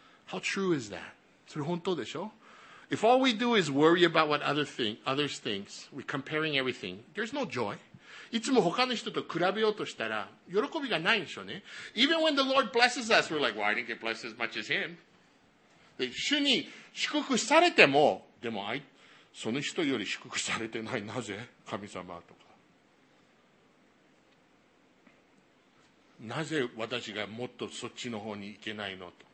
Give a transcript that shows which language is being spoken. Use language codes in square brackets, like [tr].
[en] How true is that? [ja] それ本当でしょ? [en] If all we do is worry about what others think, we're comparing everything, there's no joy. [ja] いつも他の人と比べようとしたら喜びがないんでしょうね。 [en] Even when the Lord blesses us, we're like, well, I didn't get blessed as much as him. [ja] 主に祝福されても、でもその人より祝福されてない、なぜ神様とか。なぜ私がもっとそっちの方に行けないのと。